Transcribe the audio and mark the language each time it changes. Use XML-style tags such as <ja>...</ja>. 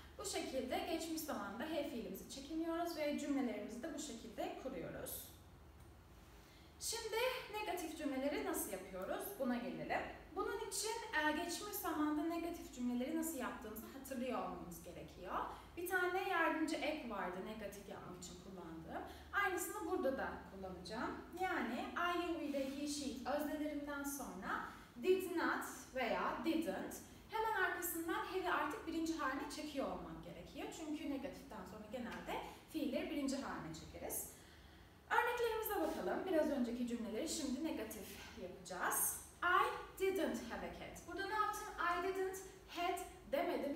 <tr>Bu şekilde geçmiş zamanda have fiilimizi çekimliyoruz ve cümlelerimizi de bu şekilde kuruyoruz. Şimdi negatif cümleleri nasıl yapıyoruz? Buna gelelim. Bunun için geçmiş zamanda negatif cümleleri nasıl yaptığımızı hatırlıyor olmamız gerekiyor. Bir tane yardımcı ek vardı negatif yapmak için kullandığım. Aynısını burada da kullanacağım. Yani I, you, we, they, he, she öznelerimden sonra did not veya didn't. Hemen arkasından have'i artık birinci haline çekiyor olmak gerekiyor. Çünkü negatiften sonra genelde fiilleri birinci haline çekeriz. Örneklerimize bakalım. Biraz önceki cümleleri şimdi negatif yapacağız.</tr> <en>I didn't have a cat.</en> <tr>Burada ne yaptım?</tr> <en>I didn't had</en> <tr>demedim.</tr>